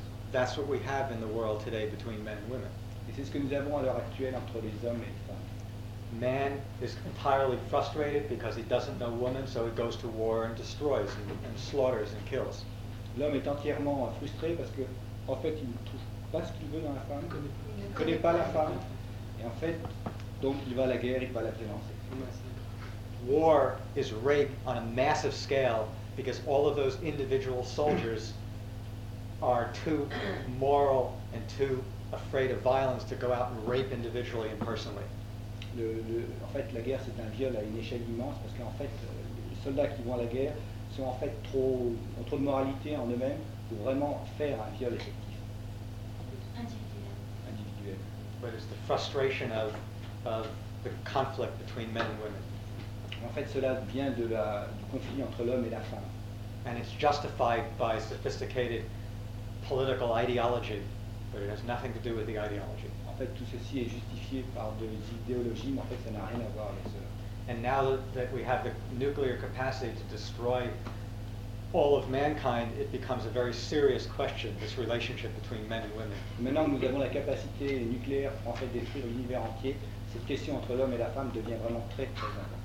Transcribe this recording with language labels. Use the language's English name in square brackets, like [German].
[English] That's what we have in the world today between men and women. [French] Et c'est ce que nous avons à l'heure actuelle entre les hommes et les femmes. [English] Man is entirely frustrated because he doesn't know woman, so he goes to war and destroys and slaughters and kills. [French] L'homme est entièrement frustré parce que, en fait, il ne trouve pas ce qu'il veut dans la femme, connaît pas la femme, et en fait, donc il va à la guerre, il va la violence. [English] War is rape on a massive scale because all of those individual soldiers are too moral and too afraid of violence to go out and rape individually and personally. [French] En fait, la guerre, c'est un viol à une échelle immense parce qu'en fait, les soldats qui vont à la guerre sont en fait ont trop de moralité en eux-mêmes pour vraiment faire un viol effectif. Individuel. [English] But it's the frustration of the conflict between men and women. [French] En fait, cela vient du conflit entre l'homme et la femme. [English] And it's justified by sophisticated political ideology, but it has nothing to do with the ideology. [French] En fait, tout ceci est justifié par des idéologies, mais en fait, ça n'a rien à voir avec cela. [English] And now that we have the nuclear capacity to destroy all of mankind, it becomes a very serious question, this relationship between men and women. [French] Maintenant que nous avons la capacité nucléaire pour en fait détruire l'univers entier, cette question entre l'homme et la femme devient vraiment très, très importante.